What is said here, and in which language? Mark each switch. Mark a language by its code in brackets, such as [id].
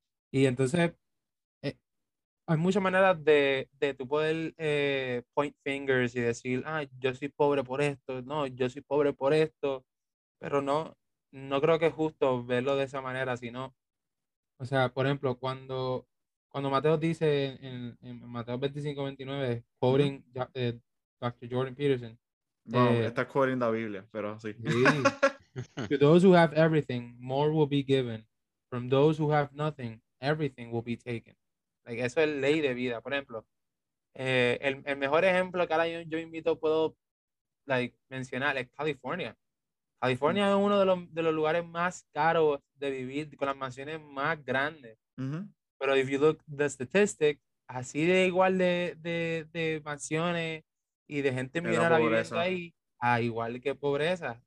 [es] Y entonces, hay muchas maneras de tú poder [en] point fingers [es] y decir, ah, yo soy pobre por esto, no, yo soy pobre por esto, pero no. No creo que es justo verlo de esa manera, sino, o sea, por ejemplo, cuando Mateo dice en Mateo 25:29, [en] quoting Dr. [es] Jordan Peterson. Está [en] quoting [es] la Biblia, pero sí. [en] To those who have everything, more will be given. From those who have nothing, everything will be taken. [es] Like, eso es ley de vida. Por ejemplo, el mejor ejemplo que ahora yo invito puedo mencionar es California. California es uno de los lugares más caros de vivir, con las mansiones más grandes. Uh-huh. Pero [en] if you look the statistics, [es] así de igual de mansiones y de gente millonaria viviendo ahí, igual que pobreza.